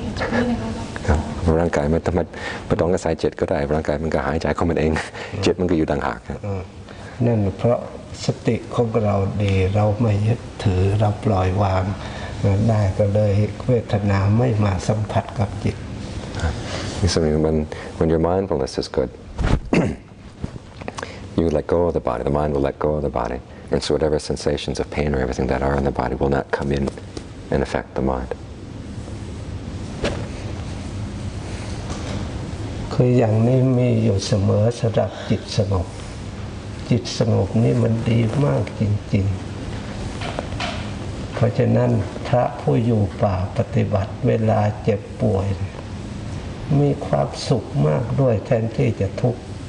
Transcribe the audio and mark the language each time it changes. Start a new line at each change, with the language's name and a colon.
English: on my own.
Thai: ร่างกายไม่ต้องอาศัยจิตก็ได้ร่างกายมันก็หายใจของมันเองจิตมันก็อยู่ต่างหาก นั่นเพราะสติของเราดีเราไม่ยึดถือเราปล่อยวางได้ก็เลยเวทนาไม่มาสัมผัสกับจิต
English: When your mindfulness is good, you let go of the body, the mind will let go of the body. And so whatever sensations of pain or everything that are in the body will not come in and affect the mind.
Thai: คืออย่างนี้มีอยู่เสมอสำหรับจิตสงบจิตสงบนี่มันดีมากจริงๆเพราะฉะนั้นพระผู้อยู่ป่าปฏิบัติเวลาเจ็บป่วยมีความสุขมากด้วยแทนที่จะทุกข์